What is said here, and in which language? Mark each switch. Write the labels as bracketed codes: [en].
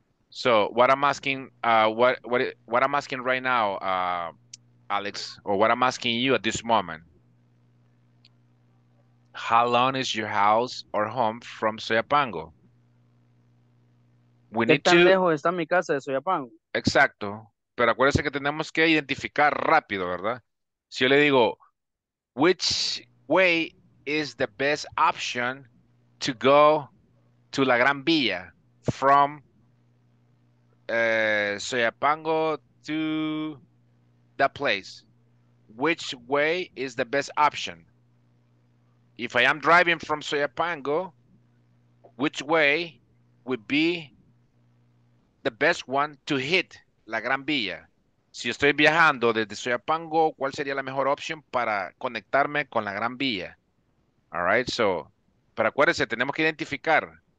[en] So what I'm asking, what I'm asking right now, Alex, or what I'm asking you at this moment, how long is your house or home from Soyapango? We need to... [es] ¿Qué tan lejos está mi casa de Soyapango? Exacto. Pero acuérdense que tenemos que identificar rápido, ¿verdad? Si yo le digo, which [en] way is the best option to go to La Gran Villa from Soyapango to that place? Which way is the best option? If I am driving from Soyapango, which way would be the best one to hit La Gran Villa? [es] Si estoy viajando desde Soyapango, ¿cuál sería la mejor opción para conectarme con La Gran Villa? [en] All right, so, [es] pero acuérdense, tenemos que identificar.